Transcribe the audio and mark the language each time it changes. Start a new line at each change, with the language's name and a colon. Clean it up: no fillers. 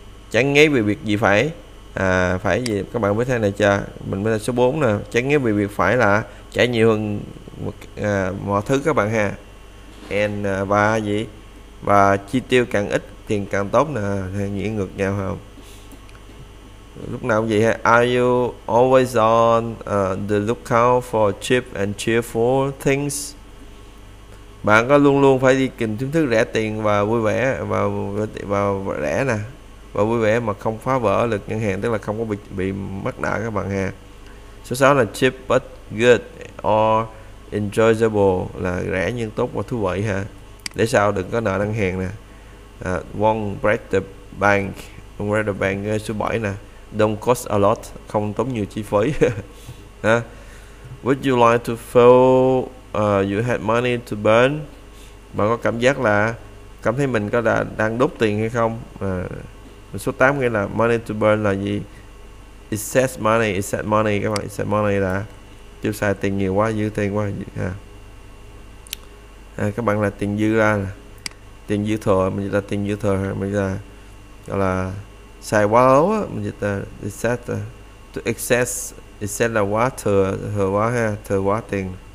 Vietnamese: Chán ngấy về việc gì phải. Phải gì các bạn biết thế này chưa? Mình mới là số 4 nè. Chán ngấy về việc phải là trả nhiều hơn mọi thứ các bạn ha. And và gì? Và chi tiêu càng ít tiền càng tốt nè, hay nghĩa ngược nhau không? Lúc nào cũng vậy ha.
English: Are you always on the lookout for cheap and cheerful things?
Vietnamese: Bạn có luôn luôn phải đi tìm kiếm thứ rẻ tiền và vui vẻ và rẻ nè. Và vui vẻ mà không phá vỡ lực ngân hàng, tức là không có bị mắc nợ các bạn ha. Số 6 là
English: cheap but good or enjoyable,
Vietnamese: là rẻ nhưng tốt và thú vị ha. Để sao đừng có nợ ngân hàng nè.
English: Won't break the bank
Vietnamese: số 7 nè.
English: Don't cost a lot,
Vietnamese: không tốn nhiều chi phí.
English: Would you like to feel you had money to burn?
Vietnamese: Bạn có cảm giác là cảm thấy mình có đang đốt tiền hay không? Số 8 nghĩa là
English: money to burn
Vietnamese: là gì?
English: Excess money
Vietnamese: các bạn.
English: Excess money
Vietnamese: là tiêu xài tiền nhiều quá, dư tiền quá ha. Các bạn là tiền dư ra, tiền dư thừa, mình là tiền dư thừa, mình là gọi là xài quá lâu á, mình dịch là excess là quá thừa quá ha, thừa quá tiền.